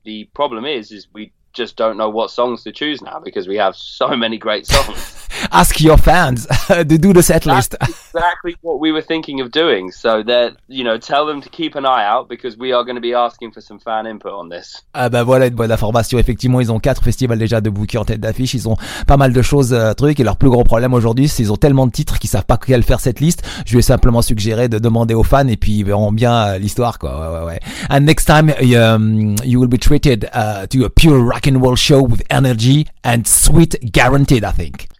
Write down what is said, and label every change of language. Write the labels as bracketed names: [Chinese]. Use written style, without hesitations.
[English] The problem is we just don't know what songs to choose now, because we have so many great songs. Ask your fans to do the set list. That's exactly what we were thinking of doing. So that, you know, tell them to keep an eye out, because we are going to be asking for some fan input on this. [French] Ah ben voilà une bonne information. Effectivement, ils ont 4 festivals déjà de bookés en tête d'affiche. Ils ont pas mal de choses, trucs. Et leur plus gros problème aujourd'hui, c'est qu'ils ont tellement de titres qu'ils savent pas quel faire cette liste. Je lui ai simplement suggéré de demander aux fans et puis ils verront bien l'histoire, quoi. Ouais, ouais, ouais. [English] And next time, you will be treated to a pure rock and roll show with energy and sweet guaranteed, I think.